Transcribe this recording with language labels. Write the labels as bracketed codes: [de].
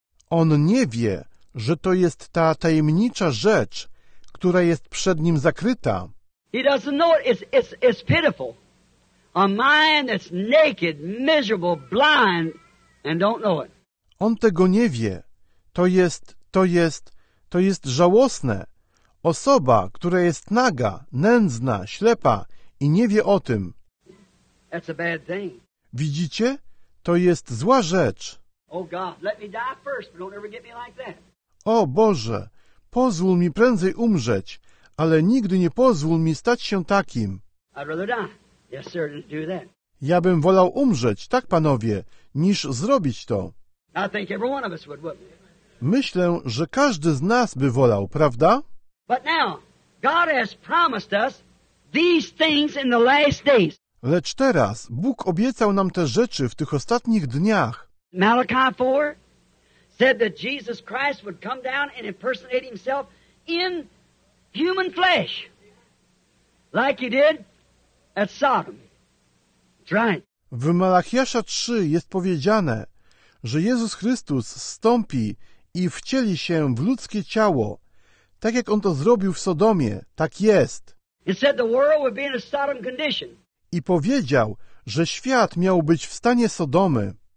[pl] On nie wie, że to jest ta tajemnicza rzecz, która jest przed nim zakryta. [en] He doesn't know it. It's pitiful. A man that's naked, miserable, blind, and don't know it. [pl] On tego nie wie. To jest, To jest żałosne. Osoba, która jest naga, nędzna, ślepa i nie wie o tym. [en] That's a bad thing. [pl] Widzicie? To jest zła rzecz. [en] Oh God, let me die first, but don't ever get me like that. [pl] O Boże, pozwól mi prędzej umrzeć, ale nigdy nie pozwól mi stać się takim. [en] I'd rather die. Yes, sir, do that. [pl] Ja bym wolał umrzeć, tak panowie, niż zrobić to. [en] I think every one of us would, wouldn't it? [pl] Myślę, że każdy z nas by wolał, prawda? [en] But now, God has promised us these things in the last days. [pl] Lecz teraz Bóg obiecał nam te rzeczy w tych ostatnich dniach. [en] Malachi 4 said that Jesus Christ would come down and impersonate himself in human flesh, like he did at Sodom. That's right. [pl] W Malachiasza 3 jest powiedziane, że Jezus Chrystus zstąpi i wcieli się w ludzkie ciało, tak jak on to zrobił w Sodomie. Tak jest. [en] He said the world would be in a Sodom condition. [pl] I powiedział, że świat miał być w stanie Sodomy.